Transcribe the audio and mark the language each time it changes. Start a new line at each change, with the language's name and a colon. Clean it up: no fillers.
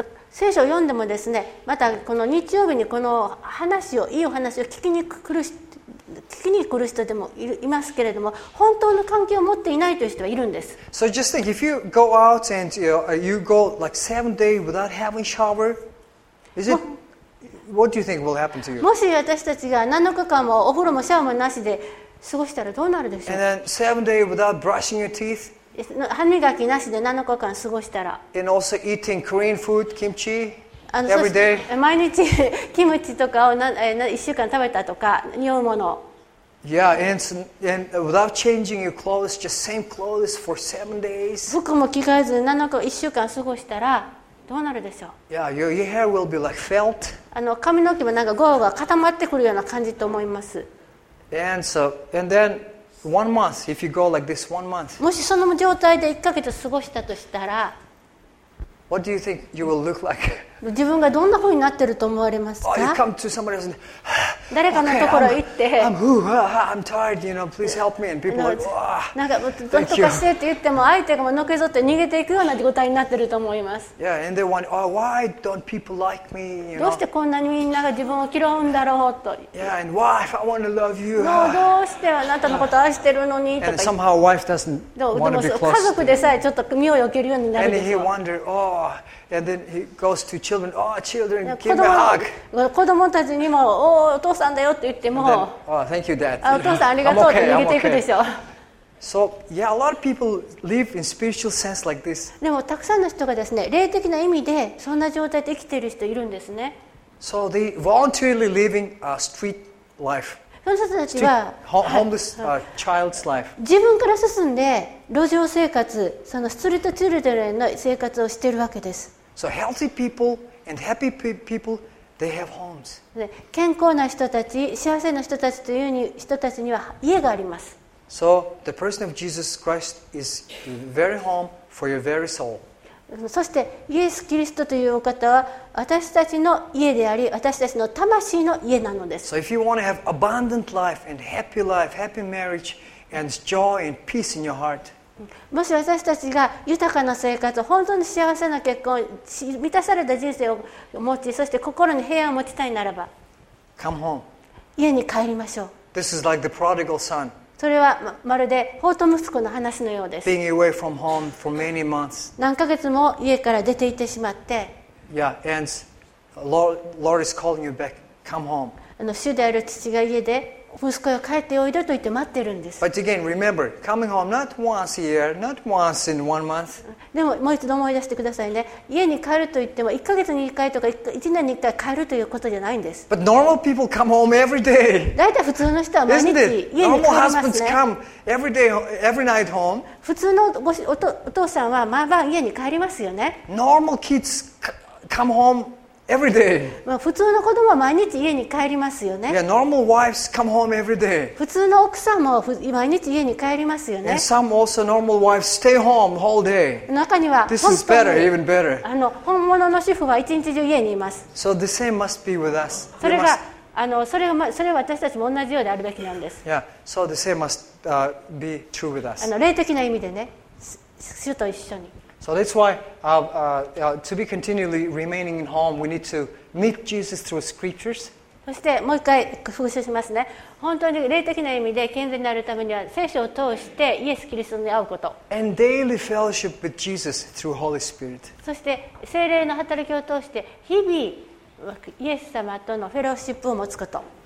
Japanese: 聖書を読んでもですね、またこの日曜日にこの話を、いいお話を聞きに来る人、聞きに来る人でもいますけれども、本当の関係を持っていないという人はいるんです。
English: So just think, if you go out and you go like 7 days without having shower, is it? What do you think will happen to you?
Japanese: もし私たちが7日間もお風呂もシャワーもなしで過ごしたらどうなるでしょう
English: ？And then 7 days without brushing your teeth.
Japanese: 歯磨きなしで7日間過ごしたら。
English: And also eating Korean food, kimchi. Every day.
Japanese: 毎日キムチとかを1週間食べたとか匂うもの。
English: Yeah, and without changing your clothes, just same clothes for 7 days.
Japanese: 服も着替えず7日1週間過ごしたらどうなるでしょう。
English: Yeah, your hair will be like felt.
Japanese: 髪の毛もなんかゴーゴー固まってくるような感じと思います。
English: And then one month, if you go like this one month.
Japanese: もしその状態で1ヶ月過ごしたとしたら。
English: What do you think you will look like?
Japanese: 自分がどんな風になってると思われますか？
English: Oh, you come to somebody else and,
Japanese: 誰かのところ行って、
English: okay, I'm tired, you know, please help me. And people are like,
Japanese: なんかどんとかしてって言っても相手がのけぞって逃げていくような状態になってると思います。
English: Yeah, and they wonder, oh, why don't people like me? You know?
Japanese: どうしてこんなにみんなが自分を嫌うんだろうと。
English: Yeah, and wife, I want to love you.
Japanese: No, どうしてあなたのこと愛してるのにとか。
English: And somehow wife doesn't want to be close.
Japanese: 家族でさえちょっと身を避けるようになるでしょう。
English: And he wonder, oh. And then he goes to children. Oh, children, give me a hug.
Japanese: 子供たちにも、お、お父さんだよって言っても、
English: then, oh, thank you, Dad.
Japanese: お父さんありがとうって逃げていくでしょ。
English: So, yeah, a lot of people live in spiritual sense like this.
Japanese: でもたくさんの人がですね、霊的な意味でそんな状態で生きている人いるんですね。
English: So they voluntarily living a street life.
Japanese: その人たちは、
English: homeless child's life.
Japanese: 自分から進んで。路上生活、そのストリートチルドレンの生活をしているわけです。
English: So healthy people and happy people, they have homes.
Japanese: 健康な人たち、幸せな人たちという人たちには家があります。
English: So the person of Jesus Christ is very home for your very soul.
Japanese: そしてイエス・キリストというお方は私たちの家であり、私たちの魂の家なのです。
English: So if you want to have abundant life, happy marriage,And joy and peace in your heart.
Japanese: もし私たちが豊かな生活、本当に幸せな結婚、満たされた人生を持ち、そして心に平安を持ちたいならば、
English: Come home.
Japanese: 家に帰りましょう。
English: This is like the prodigal son.
Japanese: それは まるで放蕩息子の話のようです。
English: Being away from home for many months.
Japanese: 何ヶ月も家から出て行ってしまって。
English: Yeah, and Lord is calling you back. Come home.
Japanese: 主である父が家で息子よ帰っておいでと言って待ってるんです。
English: But again, remember, coming home not once a year, not once in one month.
Japanese: でももう一度思い出してくださいね。家に帰ると言っても1ヶ月に1回とか1年に1回帰るということじゃないんです。
English: But normal people come home every day.
Japanese: だいたい普通の人は毎日家に帰りますね。
English: Normal husbands come every day, every night home.
Japanese: 普通のお父さんは毎晩家に帰りますよね。
English: Normal kids come home. Every day.
Japanese: 普通の子供は毎日家に帰りますよね。
English: Yeah, normal wives come home every day.
Japanese: 普通の奥さんも毎日家に帰りますよね。
English: And some also normal wives stay home whole day.
Japanese: 中には本当に、
English: This is better, even better.
Japanese: 本物の主婦は一日中家にいます。
English: So the same must be with us.
Japanese: それが、それは私たちも同じようであるべきなんです。
English: Yeah, so the same must be true with us.
Japanese: 霊的な意味でね、主と一緒に。
English: So that's why to be continually remaining in home, we need to meet Jesus through scriptures.
Japanese: そしてもう一回復習しますね。本当に霊的な意味で健全になるためには聖書を通してイエス・キリストに会うこと。
English: And daily fellowship with Jesus through Holy Spirit.
Japanese: そして聖霊の働きを通して日々イエス様とのフェローシップを持つこと。